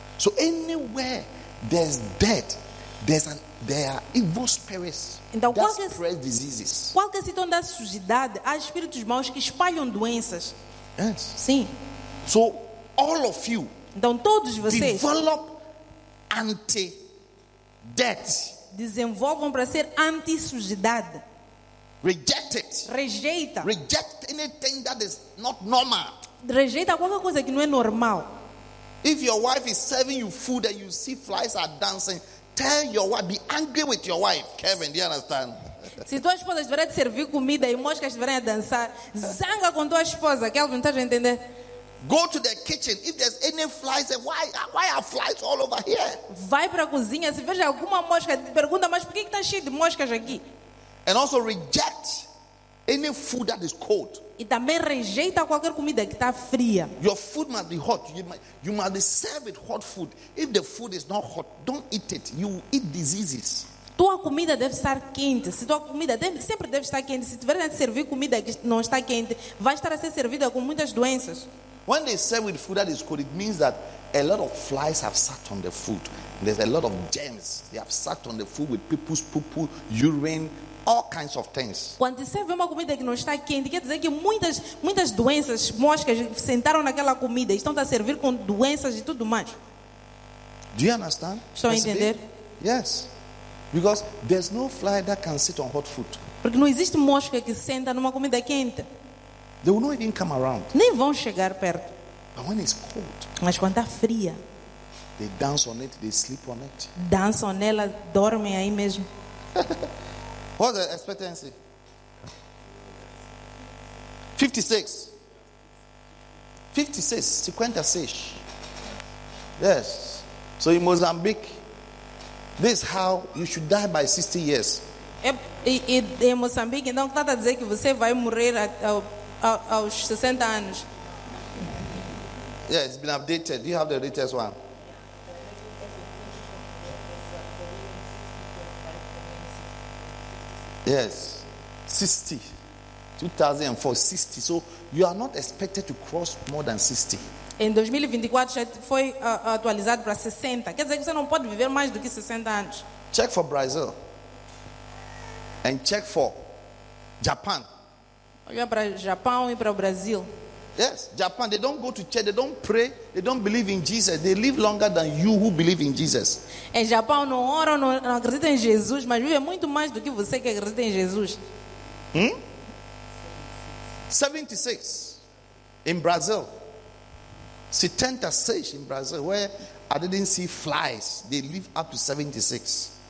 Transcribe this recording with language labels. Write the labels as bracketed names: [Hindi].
[English] So anywhere there's dead, there are evil spirits. [Portuguese] Então, [English] that spread diseases. [Portuguese] Qualquer sítio onde há sujidade, há espíritos maus que espalham doenças. [English] Yes. [Portuguese] Sim. [English] So all of you. [Portuguese] Então todos vocês. [English] Develop anti-debt. [Portuguese] Desenvolvam para ser anti-sujidade. [English] Reject it. [Portuguese] Rejeita. [English] Reject anything that is not normal. [Portuguese] Rejeita qualquer coisa que não é normal. [English] If your wife is serving you food and you see flies are dancing, tell your wife, be angry with your wife. Kevin, do you understand? [Portuguese] Se tua esposa estiver a servir comida e moscas estiverem a dançar, zanga com tua esposa. Kevin, tá entendendo? [English] Go to the kitchen. If there's any flies, say, why are flies all over here? [Portuguese] Vai para a cozinha, se veja alguma mosca, pergunta, mas por que está cheio de moscas aqui? [English] And also reject Any food that is cold. [Portuguese] E também rejeita qualquer comida que está fria. [English] Your food must be hot. You must be served hot food. If the food is not hot, don't eat it. You eat diseases. [Portuguese] Tua comida deve estar quente. Se tua comida sempre deve estar quente, se tiver a servir comida que não está quente, vai estar a ser servida com muitas doenças. [English] When they serve with food that is cold, it means that a lot of flies have sat on the food. There's a lot of germs. They have sat on the food with people's poo, urine, all kinds of things. [Portuguese] Quando você serve uma comida que não está quente, quer dizer que muitas doenças, moscas sentaram naquela comida e estão a servir com doenças e tudo mais. [English] Do you understand? [Portuguese] Estão a entender? [English] Yes. Because there's no fly that can sit on hot food. [Portuguese] Porque não existe mosca que senta numa comida quente. [English] They will not even come around. [Portuguese] Nem vão chegar perto. [English] But when it's cold, [Portuguese] mas quando está fria, [English] they dance on it, they sleep on it. [Portuguese] Dança nela, dorme aí mesmo. [English] What's the expectancy? 56. 56, 56. Yes. So in Mozambique, this is how you should die by 60 years. [Portuguese] Em Moçambique, então está a dizer que você vai morrer aos 60 anos. [English] Yeah, it's been updated. Do you have the latest one? Yes, 60. 2004, 60. So you are not expected to cross more than 60. [Portuguese] Em 2024 já foi atualizado para 60. Quer dizer que você não pode viver mais do que 60 anos. [English] Check for Brazil. And check for Japan. [Portuguese] Olha para o Japão e para o Brasil. [English] Yes, Japan, they don't go to church, they don't pray, they don't believe in Jesus. They live longer than you who believe in Jesus. [Portuguese] Em Japão não oram, não acreditam em Jesus, mas vivem muito mais do que você que acredita em Jesus. [English] 76 in Brazil. 76 in Brazil, where I didn't see flies. They live up to 76.